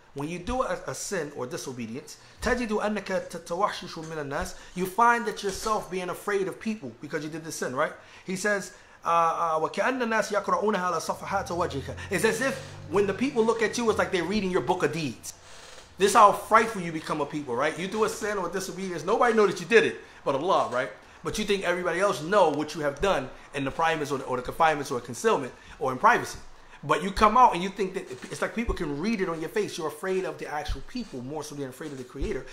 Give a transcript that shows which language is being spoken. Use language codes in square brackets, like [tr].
[en] When you do a sin or disobedience, [ar] تَجِدُ أَنَّكَ تَتَوَحْشُشُ مِنَ النَّاسِ. [en] You find that yourself being afraid of people because you did this sin, right? He says, [ar] وَكَأَنَّ النَّاسِ يَقْرَؤُونَهَا لَصَفَحَاتَ وَجِهِكَ. [en] It's as if when the people look at you, it's like they're reading your book of deeds. This is how frightful you become of people, right? You do a sin or disobedience, nobody knows that you did it, but Allah, right? But you think everybody else know what you have done in the privacy or the confinements or concealment or in privacy. But you come out and you think that it's like people can read it on your face. You're afraid of the actual people more so than afraid of the creator.